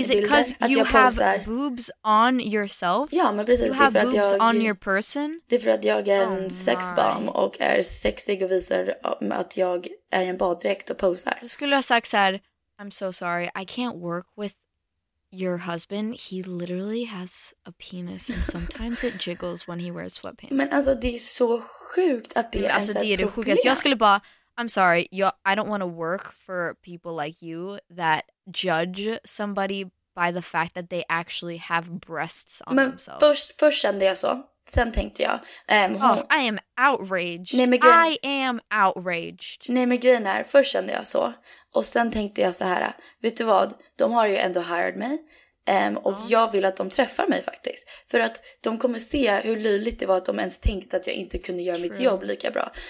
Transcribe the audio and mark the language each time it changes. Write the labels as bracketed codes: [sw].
[en] Is it because you have boobs on yourself? [sv] Ja, men precis. [en] You have boobs on your person? [sv] Det är för att jag är en sexbomb och är sexig och visar att jag är en baddräkt och posar. Du skulle ha sagt så här, [en] I'm so sorry, I can't work with your husband, he literally has a penis and sometimes it jiggles when he wears sweatpants. [sv] Men alltså det är så sjukt att det är det är det sjukaste. Jag skulle bara, [en] I'm sorry, I don't want to work for people like you that judge somebody by the fact that they actually have breasts on [sv] men [en] themselves. [sv] Först kände jag så, sen tänkte jag. [en] I am outraged. [sv] Nej, men grejen är, först kände jag så. Och sen tänkte jag så här, vet du vad? De har ju ändå hired mig. Jag vill att de träffar mig faktiskt. För att de kommer se hur löjligt det var att de ens tänkte att jag inte kunde göra mitt jobb lika bra.